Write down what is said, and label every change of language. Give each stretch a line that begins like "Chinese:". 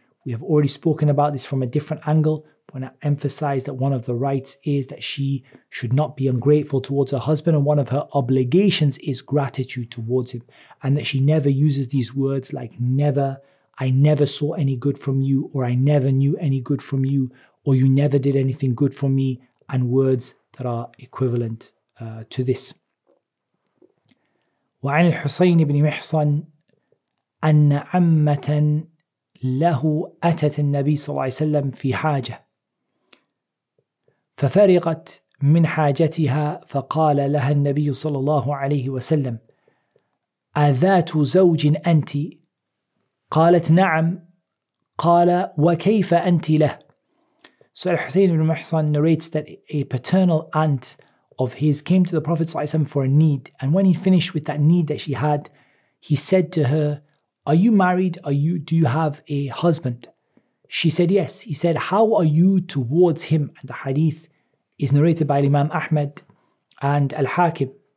English: We have already spoken about this from a different angle. When I emphasize that one of the rights is that she should not be ungrateful towards her husband, and one of her obligations is gratitude towards him, and that she never uses these words like never, I never saw any good from you, or I never knew any good from you, or you never did anything good for me, and words that are equivalent to this.
Arabic: وعن الحسين بن محصن أن عمة له أتت النبي صلى الله عليه وسلم في حاجة ففرغت من حاجتها فقال لها النبي صلى الله عليه وسلم أذات زوج أنت؟ قالت نعم قال وكيف أنت له؟
English: So Al-Husayn ibn Muhsan narrates that a paternal aunt of his came to the Prophet ﷺ for a need. And when he finished with that need that she had, he said to her, are you married? Do you have a husband? She said, yes. He said, how are you towards him? And the hadith is narrated by Imam Ahmad and Al-Hakim.